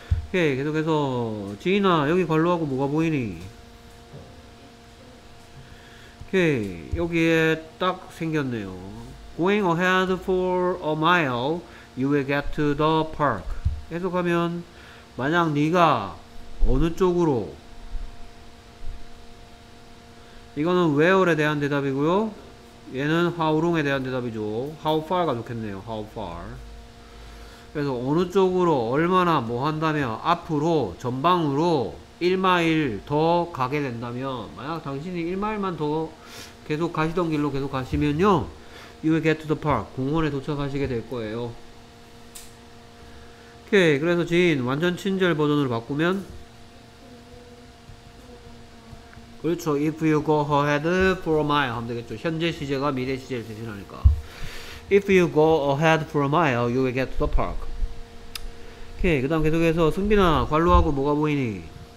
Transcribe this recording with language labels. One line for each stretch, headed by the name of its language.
Korean: 오케이, 계속해서 지인아 여기 관로하고 뭐가 보이니? 오케이, 여기에 딱 생겼네요.
English: Going ahead for a mile, you will get to the park.
Korean: 계속하면 만약 네가 어느 쪽으로? 이거는 where에 대한 대답이고요. 얘는 how long에 대한 대답이죠. how far가 좋겠네요. how far. 그래서 어느 쪽으로 얼마나 뭐 한다면 앞으로 전방으로 1마일 더 가게 된다면 만약 당신이 1마일만 더 계속 가시던 길로 계속 가시면요.
English: you will get to the park.
Korean: 공원에 도착하시게 될 거예요. 오케이. 그래서 진 완전 친절 버전으로 바꾸면 그렇죠.
English: If you go ahead for a mile
Korean: 하면 되겠죠. 현재 시제가 미래 시제를 대신하니까.
English: If you go ahead for a mile, you will get to the park.
Korean: 오케이. 그 다음 계속해서 승빈아, 관로하고 뭐가 보이니?